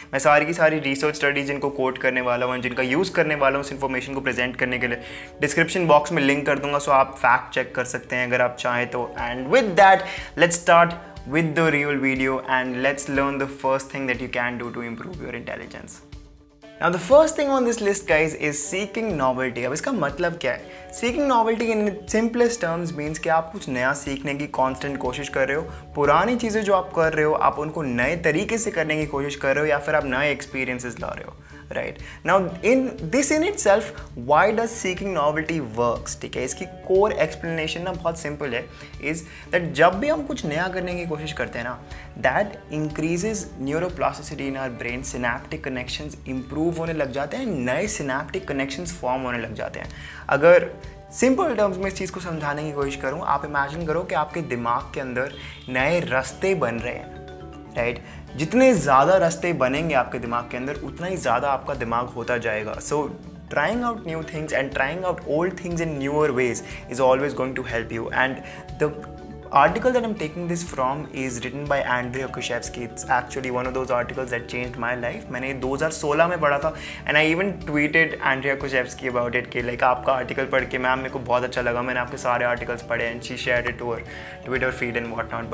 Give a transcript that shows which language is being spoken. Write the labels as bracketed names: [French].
[Hindi] मैं सारी की सारी रिसर्च स्टडीज इनको कोट करने वाला हूँ, जिनका यूज़ करने वाला हूँ उस इन्फॉर्मेशन को प्रेजेंट करने के लिए. डिस्क्रिप्शन बॉक्स में लिंक कर दूंगा, सो आप फैक्ट चेक कर सकते हैं अगर आप चाहें तो. [English] And with that, let's start with the real video and let's learn the first thing that you can do to improve your intelligence. Now the first thing on this list, guys, is seeking novelty. [Hindi] अब इसका मतलब क्या है? [English] Seeking novelty in its simplest terms means [Hindi] कि आप कुछ नया सीखने की constant कोशिश कर रहे हो. पुरानी चीज़ें जो आप कर रहे हो, आप उनको नए तरीके से करने की कोशिश कर रहे हो या फिर आप नए experiences ला रहे हो. [English] Right? Now in this in itself, why does seeking novelty works? [Hindi] ठीक है, इसकी core explanation ना बहुत simple है. Is that जब भी हम कुछ नया करने की कोशिश करते हैं ना, [English] that increases neuroplasticity in our brain, [Hindi] synaptic connections improve होने लग जाते हैं, नए सिनेप्टिक कनेक्शंस फॉर्म होने लग जाते हैं. अगर सिंपल टर्म्स में इस चीज़ को समझाने की कोशिश करूँ, आप इमेजिन करो कि आपके दिमाग के अंदर नए रास्ते बन रहे हैं. राइट, जितने ज़्यादा रास्ते बनेंगे आपके दिमाग के अंदर, उतना ही ज़्यादा आपका दिमाग होता जाएगा. [English] So trying out new things and trying out old things in newer ways is always going to help you. And the article that I'm taking this from is written by Andrew Kushevsky. It's actually one of those articles that changed my life. [Hindi] मैंने 2016 में पढ़ा था [English] and I even tweeted Andrew Kushevsky about it [Hindi] कि like आपका article पढ़ के ma'am मेरे को बहुत अच्छा लगा, मैंने आपके सारे articles पढ़े [English] and she shared it to her Twitter feed and whatnot.